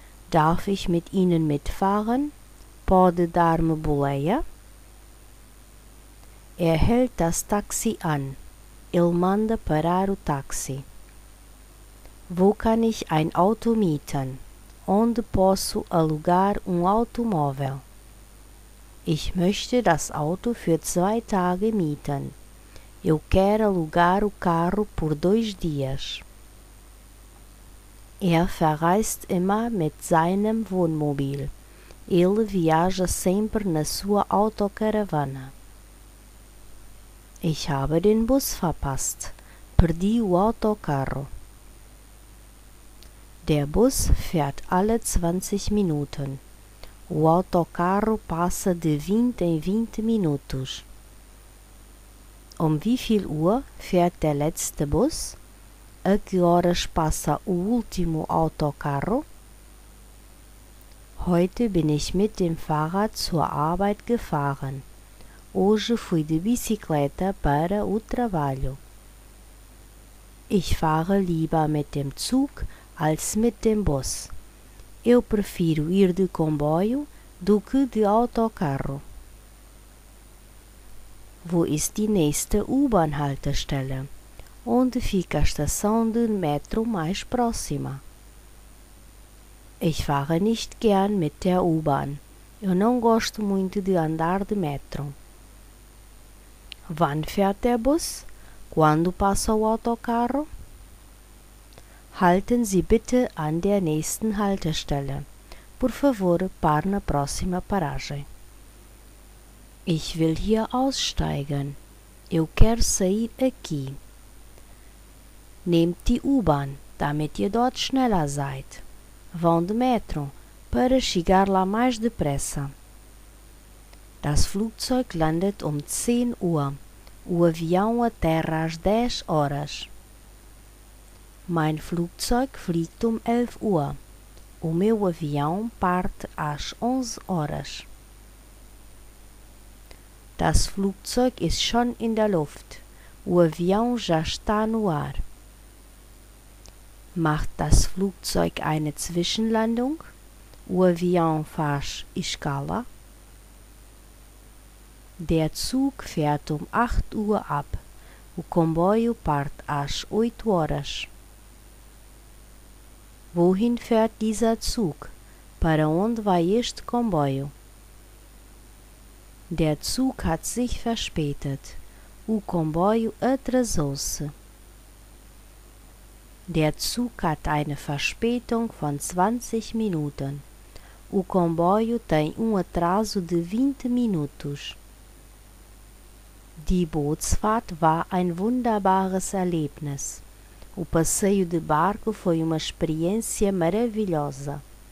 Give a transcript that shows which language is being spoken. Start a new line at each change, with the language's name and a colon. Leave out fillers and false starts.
German: Darf ich mit Ihnen mitfahren?
Portuguese: Pode dar-me boleia?
German: Hält das Taxi an.
Portuguese: Ele manda parar o táxi.
German: Wo kann ich ein Auto mieten?
Portuguese: Onde posso alugar automóvel?
German: Ich möchte das Auto für 2 Tage mieten.
Portuguese: Eu quero alugar o carro por 2 dias.
German: Verreist immer mit seinem Wohnmobil.
Portuguese: Ele viaja sempre na sua autocaravana.
German: Ich habe den Bus verpasst.
Portuguese: Perdi o autocarro.
German: Der Bus fährt alle 20 Minuten.
Portuguese: O autocarro passa de 20 em 20 minutos.
German: Wie viel Uhr fährt der letzte Bus?
Portuguese: A que horas passa o último autocarro?
German: Heute bin ich mit dem Fahrrad zur Arbeit gefahren.
Portuguese: Hoje fui de bicicleta para o trabalho.
German: Ich fahre lieber mit dem Zug als mit dem Bus.
Portuguese: Eu prefiro ir de comboio do que de autocarro.
German: Wo ist die nächste U-Bahn-Haltestelle?
Portuguese: Onde fica a estação de metro mais próxima?
German: Ich fahre nicht gern mit der U-Bahn.
Portuguese: Eu não gosto muito de andar de metro.
German: Wann fährt der Bus?
Portuguese: Quando passa o autocarro?
German: Halten Sie bitte an der nächsten Haltestelle.
Portuguese: Por favor, pare na próxima paragem.
German: Ich will hier aussteigen.
Portuguese: Eu quero sair aqui.
German: Nehmt die U-Bahn, damit ihr dort schneller seid.
Portuguese: Vão de metro, para chegar lá mais depressa.
German: Das Flugzeug landet 10 Uhr.
Portuguese: O avião aterra às 10 horas.
German: Mein Flugzeug fliegt 11 Uhr.
Portuguese: O meu avião parte às 11 horas.
German: Das Flugzeug ist schon in der Luft.
Portuguese: O avião já está no ar.
German: Macht das Flugzeug eine Zwischenlandung?
Portuguese: O avião faz escala?
German: Der Zug fährt 8 Uhr ab.
Portuguese: O comboio parte às 8 horas.
German: Wohin fährt dieser Zug?
Portuguese: Para onde vai este comboio?
German: Der Zug hat sich verspätet.
Portuguese: O comboio atrasou-se.
German: Der Zug hat eine Verspätung von 20 Minuten.
Portuguese: O comboio tem atraso de 20 minutos.
German: Die Bootsfahrt war ein wunderbares Erlebnis.
Portuguese: O passeio de barco foi experiência maravilhosa.